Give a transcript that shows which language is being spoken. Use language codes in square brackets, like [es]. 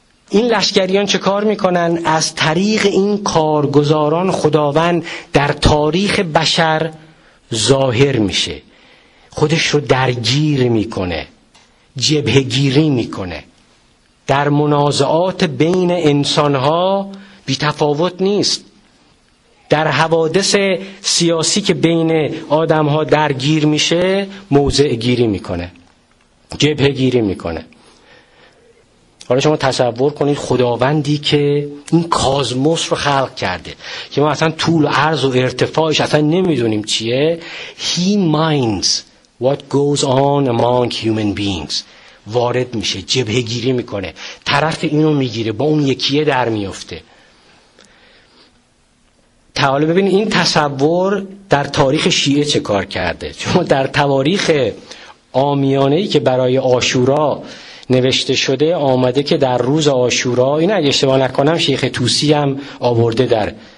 [fa] این لشکریان چه کار میکنن؟ از طریق این کارگزاران خداوند در تاریخ بشر ظاهر میشه، خودش رو درگیر میکنه، جبهه گیری میکنه در منازعات بین انسانها، بی تفاوت نیست در حوادث سیاسی که بین آدمها درگیر میشه، موضع گیری میکنه، جبهه گیری میکنه. حالا شما تصور کنید خداوندی که این کازموس رو خلق کرده که ما اصلا طول و عرض و ارتفاعش اصلا نمیدونیم چیه. [en] He minds what goes on among human beings. [fa] وارد میشه، جبهه گیری میکنه، طرف اینو میگیره، با اون یکیه در میفته. تعالی ببینید این تصور در تاریخ شیعه چه کار کرده. شما در تواریخ عامیانه‌ای که برای عاشورا نوشته شده آمده که در روز عاشورا، این اگه اشتباه نکنم شیخ طوسی هم آورده در